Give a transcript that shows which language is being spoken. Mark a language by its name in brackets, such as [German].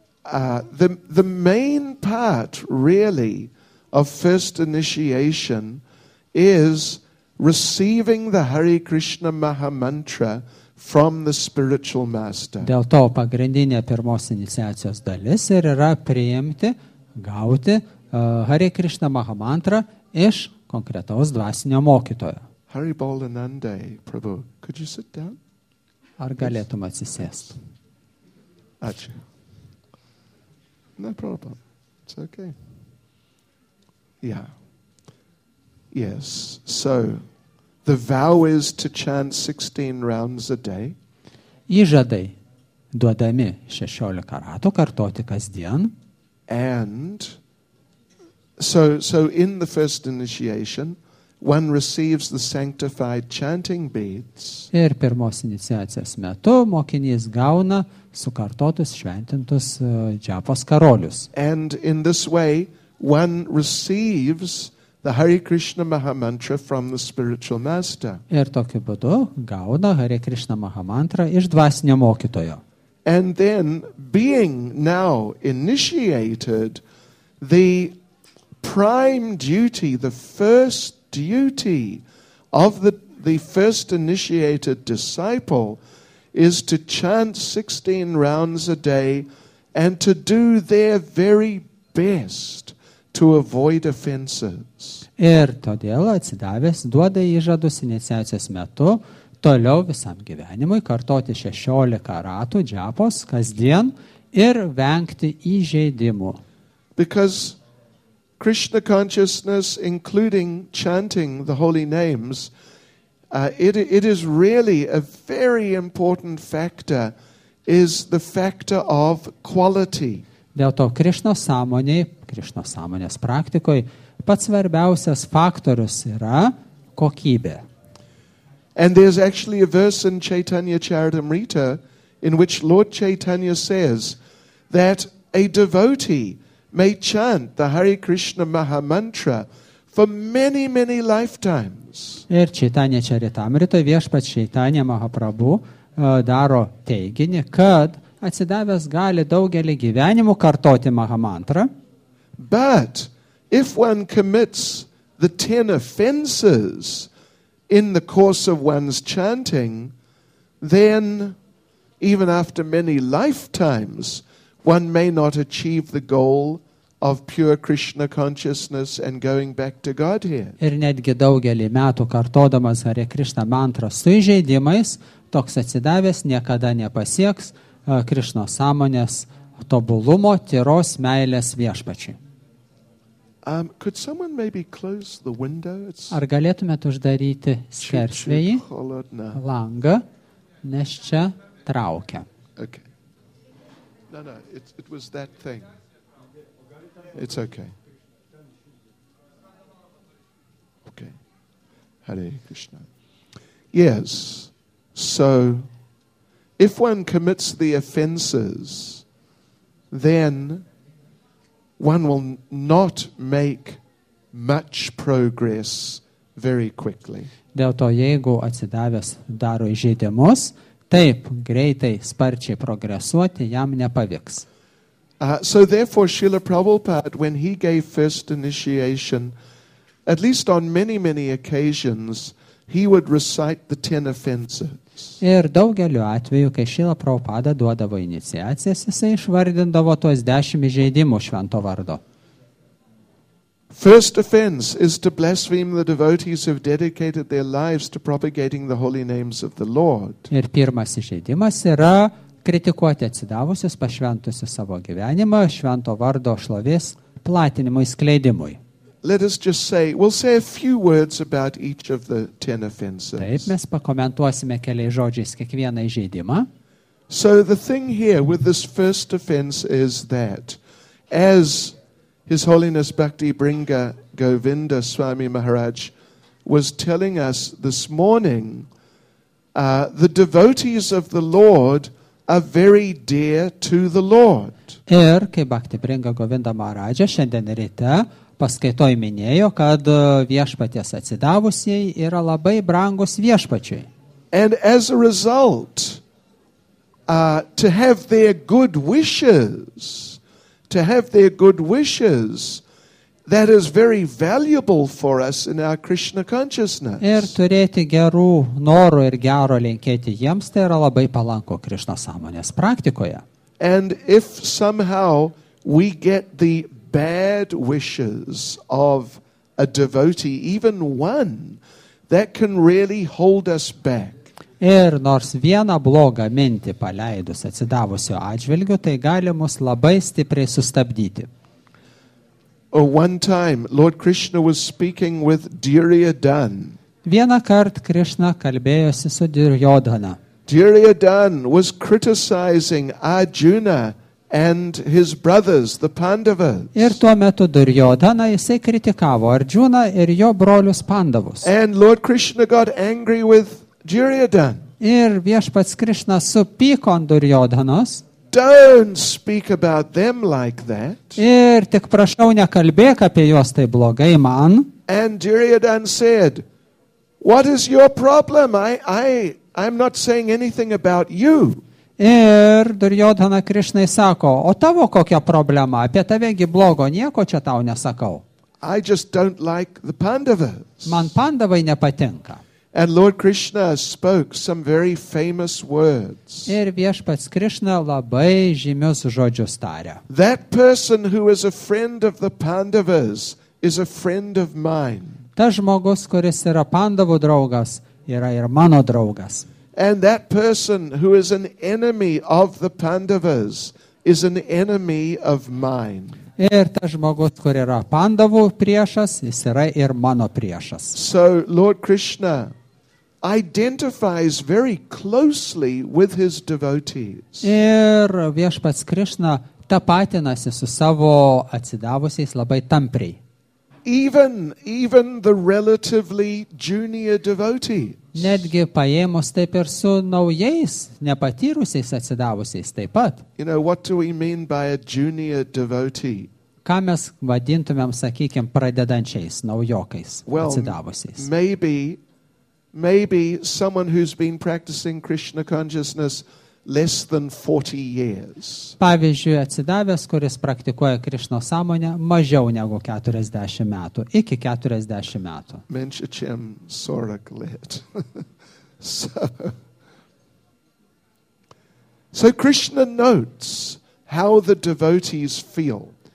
[English] So the main part really of first initiation is receiving the Hare Krishna Maha Mantra from the spiritual master. [Lithuanian] Dėl to pagrindinė pirmos iniciacijos dalis ir yra priimti, gauti Hare Krishna Maha Mantra iš konkretaus dvasinio mokytojo. [English] Hari Bol Anande Prabhu, could you sit down? [Lithuanian] Ar galėtum atsisėst? Ačiū. [English] No problem. It's okay. Yeah. Yes. So the vow is to chant 16 rounds a day. [Lithuanian] Įžadai duodami 16 ratų kartoti kasdien. [English] And so in the first initiation, one receives the sanctified chanting beads. [Lithuanian] Ir pirmos iniciacijos metu mokinys gauna sukartotus šventintus džiapos karolius. [English] And in this way, one receives the Hare Krishna Maha Mantra from the spiritual master. [Lithuanian] Ir tokiu būdu gauna Hare Krishna Maha Mantra iš dvasinio mokytojo. [English] And then, being now initiated, the prime duty, the first duty of the first initiated disciple is to chant 16 rounds a day and to do their very best to avoid offenses. [Lithuanian] Ir todėl atsidavęs duoda įžadus iniciacijos metu toliau visam gyvenimui kartoti 16 ratų džiapos kasdien ir vengti įžeidimų. [English] Because Krishna consciousness, including chanting the holy names, it is really a very important factor, is the factor of quality. [Lithuanian] Dėl to Krišnos sąmonės praktikoj pats svarbiausias faktorius yra kokybė. [English] And there's actually a verse in Chaitanya Charitamrita in which Lord Chaitanya says that a devotee may chant the Hare Krishna Maha Mantra for many, many lifetimes. [Lithuanian] Ir Chaitanya Charitamrita, viešpats Chaitanya Mahaprabhu, daro teiginį, kad atsidavęs gali daugelį gyvenimų kartoti Maha Mantra. [English] But if one commits the 10 offenses in the course of one's chanting, then even after many lifetimes, one may not achieve the goal of pure Krishna consciousness and going back to Godhead. [Lithuanian] Ir netgi daugelį metų kartodamas Hare Krishna mantra su įžeidimais, toks atsidavęs niekada nepasieks Krišno sąmonės tobulumo, tyros meilės viešpačiai. [English] Could someone maybe close the window? [Lithuanian] Ar galėtumėt uždaryti skersvėjį, langą, nes čia traukia. [English] Okay. No, it was that thing. It's okay. Okay. Hare Krishna. Yes. So, if one commits the offenses, then one will not make much progress very quickly. [Lithuanian] Dėl to, jeigu atsidavęs daro įžeidimus, taip greitai, sparčiai progresuoti jam nepavyks. [English] So therefore, Srila Prabhupada, when he gave first initiation, at least on many, many occasions, he would recite the 10 offenses. [Lithuanian] Ir daugeliu atveju, kai Šila Prabhupada duodavo iniciacijas, jisai išvardindavo tuos 10 įžeidimų švento vardo. [English] First offense is to blaspheme the devotees who have dedicated their lives to propagating the holy names of the Lord. [Lithuanian] Ir pirmas įžeidimas yra kritikuoti atsidavusius pašventusius savo gyvenimą švento vardo šlovės platinimui, skleidimui. [English] Let us just say, we'll say a few words about each of the 10 offenses. [Lithuanian] Taip, mes pakomentuosime keliais žodžiais kiekvieną įžeidimą. [English] So the thing here with this first offense is that as His Holiness Bhakti Bringa Govinda Swami Maharaj was telling us this morning, the devotees of the Lord are very dear to the Lord. [Lithuanian] Ir kaip Bhakti Bringa Govinda Maharaj šiandien ryte paskaitoj minėjo, kad viešpaties atsidavusiai yra labai brangus viešpačiui. [English] And as a result, to have their good wishes, to have their good wishes, that is very valuable for us in our Krishna consciousness. [Lithuanian] Ir turėti gerų norų ir gero linkėti jiems, tai yra labai palanko Krishna sąmonės praktikoje. [English] And if somehow we get the bad wishes of a devotee, even one, that can really hold us back. [Lithuanian] Ir nors vieną blogą mintį paleidus atsidavusio atžvilgiu, tai gali mus labai stipriai sustabdyti. [English] One time Lord Krishna was speaking with Duryodhana. [Lithuanian] Vieną kartą Krishna kalbėjosi su Duryodhana. [English] Duryodhana was criticizing Arjuna and his brothers, the Pandavas. [Lithuanian] Ir tuo metu Duryodhana jisai kritikavo Arjuna ir jo brolius Pandavus. [English] And Lord Krishna got angry with Duryodhana. [Lithuanian] Ir viešpats Krishna supyko ant Duryodhanos. [English] Don't speak about them like that. [Lithuanian] Ir tik prašau, nekalbėk apie juos tai blogai man. [English] And Duryodhana said, what is your problem? I'm not saying anything about you. [Lithuanian] Ir Duryodhana Krishnai sako, o tavo kokia problema? Apie tavegi blogo nieko čia tau nesakau. [English] I just don't like the Pandavas. [Lithuanian] Man Pandavai nepatinka. [English] And Lord Krishna spoke some very famous words. [Lithuanian] Ir viešpats Krishna labai žymius žodžius tarė. [English] That person who is a friend of the Pandavas is a friend of mine. [Lithuanian] Tas žmogus, kuris yra Pandavų draugas, yra ir mano draugas. [English] And that person who is an enemy of the Pandavas is an enemy of mine. [Lithuanian] Ir tas žmogus, kur yra Pandavų priešas, jis yra ir mano priešas. [English] So Lord Krishna identifies very closely with his devotees. [Lithuanian] Ir viešpats Krishna tapatinasi su savo atsidavusiais labai tampriai. [English] Even the relatively junior devotees. [Lithuanian] Netgi paėmus taip ir su naujais, nepatyrusiais atsidavusiais taip pat. [English] You know, what do we mean by a junior devotee? [Lithuanian] Ką mes vadintumėm, sakykim, pradedančiais, naujokais, atsidavusiais? [English] Well, maybe someone who's been practicing Krishna consciousness less than 40 years. [Lithuanian] Pavyzdžiui, atsidavęs, kuris praktikuoja Krishna sąmonę mažiau negu 40 metų, iki 40 metų. Menchachem Soraklet. [English] So Krishna notes how the devotees feel.